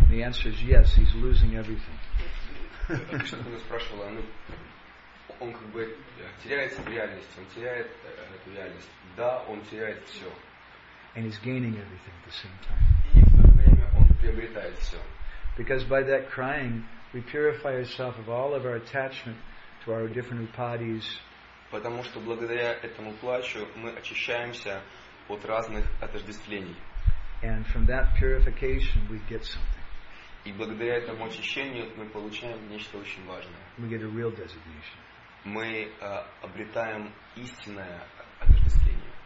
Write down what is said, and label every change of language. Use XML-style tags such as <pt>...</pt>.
<en>And the answer is yes, he's losing everything.</en> <ru>Krishna Kone спрашивал, ну, он как бы теряет реальность, он теряет эту реальность. Да, он теряет все.</ru> <en>And he's gaining everything at the same time.</en> <ru>И в то же время он приобретает все.</ru> <en>Because by that crying, we purify ourselves of all of our attachment to our different upadis.</en> <ru>Потому что благодаря этому плачу мы очищаемся от разных отождествлений.</ru> <en>And from that purification we get something.</en> <ru>И благодаря этому очищению мы получаем нечто очень важное.</ru> <en>We get a real designation.</en> <ru>Мы обретаем истинное отождествление.</ru>